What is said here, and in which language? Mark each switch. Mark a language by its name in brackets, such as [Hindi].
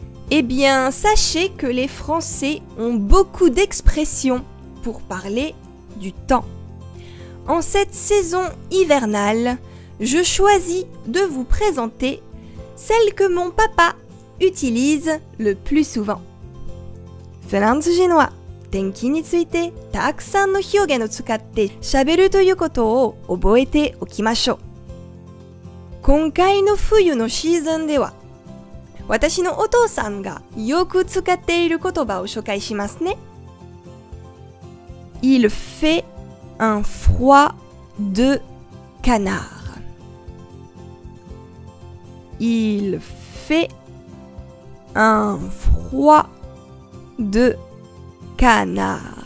[French] Eh bien, sachez que les Français ont beaucoup d'expressions pour parler du temps. En cette saison hivernale, je choisis de vous présenter celle que mon papa utilise le plus souvent. [Japanese] フランス人は天気についてたくさんの表現を使ってしゃべるということを覚えておきましょう。今回の冬のシーズンでは、私のお父さんがよく使っている言葉を紹介しますね。 [French] Il fait un froid de canard. Il faitUn froid de canard.